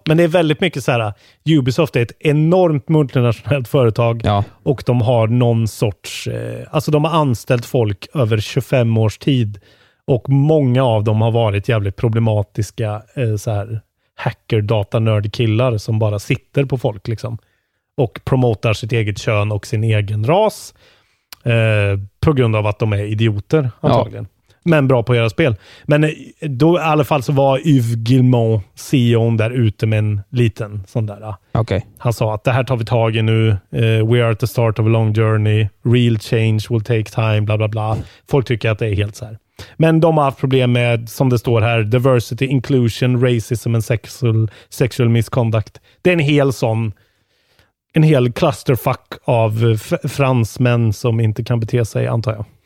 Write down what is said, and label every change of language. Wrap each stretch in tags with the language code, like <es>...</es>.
<sv>Men det är väldigt mycket så här, Ubisoft är ett enormt multinationellt företag och de har någon sorts, alltså de har anställt folk över 25 års tid och många av dem har varit jävligt problematiska så här hacker-data-nerd-killar som bara sitter på folk liksom och promotar sitt eget kön och sin egen ras på grund av att de är idioter antagligen. Ja. men bra på att göra spel. Men då i alla fall så var Yves Guillemot, CEO:n där ute med en liten sån där. Okay. Han sa att det här tar vi tag i nu.</sv> <en>We are at the start of a long journey. Real change will take time, bla bla bla.</en> <sv>Folk tycker att det är helt så här. Men de har haft problem med, som det står här,</sv> <en>diversity, inclusion, racism and sexual misconduct.</en> <sv>Det är en hel sån, en hel clusterfuck av fransmän som inte kan bete sig, antar jag.</sv>